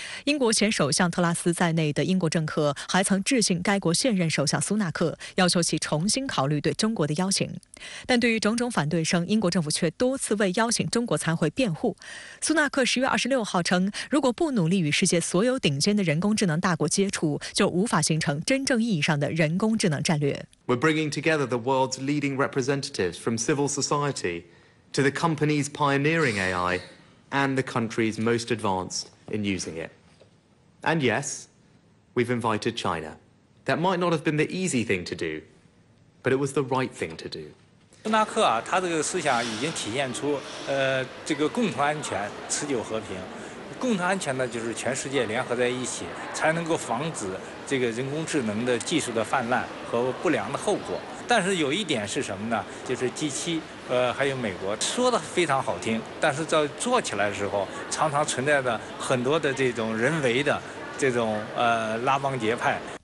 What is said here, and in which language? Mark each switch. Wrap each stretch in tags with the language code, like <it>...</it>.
<zh>英国前首相特拉斯在内的英国政客还曾致信该国现任首相苏纳克，要求其重新考虑对中国的邀请。但对于种种反对声，英国政府却多次为邀请中国参会辩护。苏纳克10月26号称，如果不努力与世界所有顶尖的人工智能大国接触，就无法形成真正意义上的人工智能战略。</zh> <en>We're bringing together the world's leading representatives from civil society to the companies pioneering AI and the countries most advanced in using it. And yes, we've invited China. That might not have been the easy thing to do, but it was the right thing to do.</en> <zh>苏纳克啊，他这个思想已经体现出，这个共同安全、持久和平。共同安全呢，就是全世界联合在一起，才能够防止这个人工智能的技术的泛滥和不良的后果。但是有一点是什么呢？就是 G7，还有美国说的非常好听，但是在做起来的时候，常常存在着很多的这种人为的这种拉帮结派。</zh>